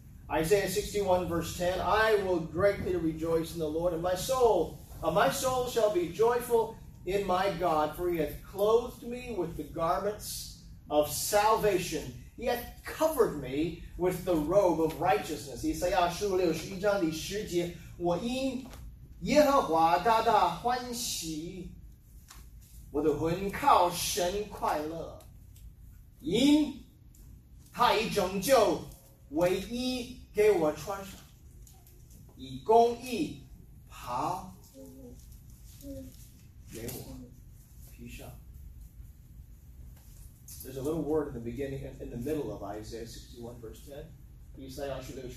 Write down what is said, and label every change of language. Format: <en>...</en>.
<en>Isaiah 61 verse 10, I will greatly rejoice in the Lord, and my soul shall be joyful in my God, for he hath clothed me with the garments of salvation. He hath covered me with the robe of righteousness.</en> <zh>Isaiah 56:10,我因耶和华大大欢喜，我的魂靠神快乐，因他已拯救，唯一 给我穿上，以公义袍给我披上.</zh> <en>There's a little word in the beginning, in the middle of Isaiah 61 verse 10.</en>